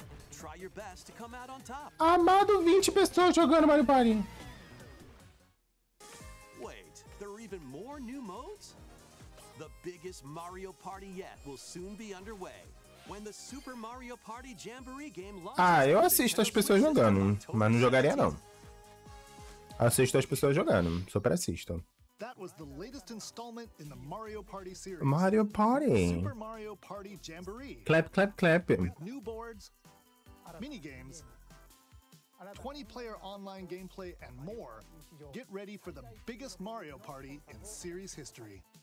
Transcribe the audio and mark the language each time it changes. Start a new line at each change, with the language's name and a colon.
English: Try your best to come out on top.
Portuguese: Amado, 20 pessoas jogando Mario Party.
English: There are even more new modes? The biggest Mario Party yet will soon be underway when the Super Mario Party Jamboree game launches.
Portuguese: Ah, eu assisto as pessoas jogando, mas não jogaria não. Assisto as pessoas jogando, super assisto.
English: That was the latest installment in the Mario Party series. Mario Party. Super Mario Party Jamboree. Clap, clap, clap. New boards, mini games, 20 player online gameplay and more. Get ready for the biggest Mario Party in series history.